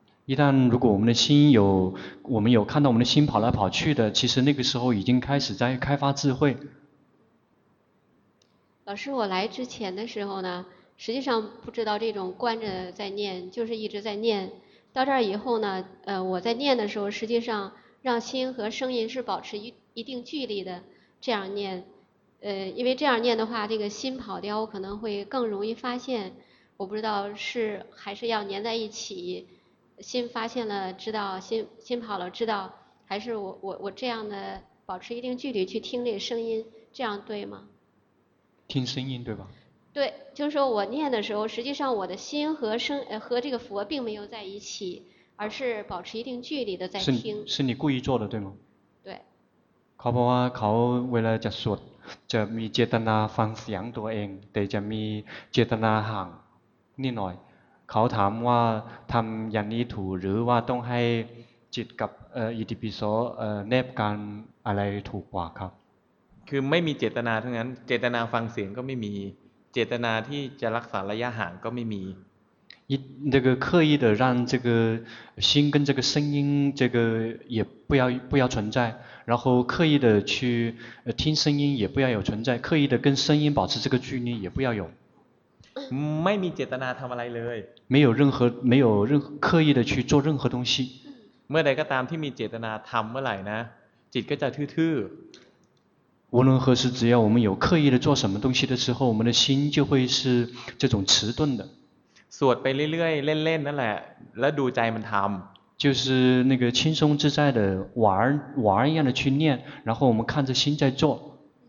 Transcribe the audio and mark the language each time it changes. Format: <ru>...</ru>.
<zh>一旦如果我们的心有我们有看到我们的心跑来跑去的其实那个时候已经开始在开发智慧老师我来之前的时候呢实际上不知道这种观着在念就是一直在念到这儿以后呢我在念的时候实际上让心和声音是保持 一定距离的这样念因为这样念的话这个心跑掉我可能会更容易发现我不知道是还是要粘在一起心发现了知道 心跑了知道还是 我这样的保持一定距离去听这个声音这样对吗听声音对吧对就是说我念的时候实际上我的心和声和这个佛并没有在一起而是保持一定距离的在听是你故意做的对吗对</zh> <th>เขาบอกว่าเขาเวลาจะสวดจะมีเจตนาฟังเสียงตัวเองแต่จะมีเจตนาห่างนิดหน่อยเขาถามว่าทำอย่างนี้ถูกหรือว่าต้องให้จิตกับETP โซแนบกันอะไรถูกกว่าครับ คือไม่มีเจตนาทั้งนั้นเจตนาฟังเสียงก็ไม่มีเจตนาที่จะรักษาระยะห่างก็ไม่มี</th> <zh>这个刻意的让这个心跟这个声音这个也不要存在然后刻意的去听声音也不要有存在刻意的跟声音保持这个距离也不要有</zh> <th>ไม่มีเจตนาทำอะไรเลย</th> <zh>没有任何刻意的去做任何东西</zh> <th>เมื่อใดก็ตามที่มีเจตนาทำเมื่อไหร่นะจิตก็จะทื่อ</th> <zh>无论何时只要我们有刻意的做什么东西的时候我们的心就会是这种迟钝的</zh> <th>สวดไปเรื่อยๆเล่นๆนั่นแหละแล้วดูใจมันทำ</th> <zh>就是那个轻松自在的玩一样的去念然后我们看着心在做</zh>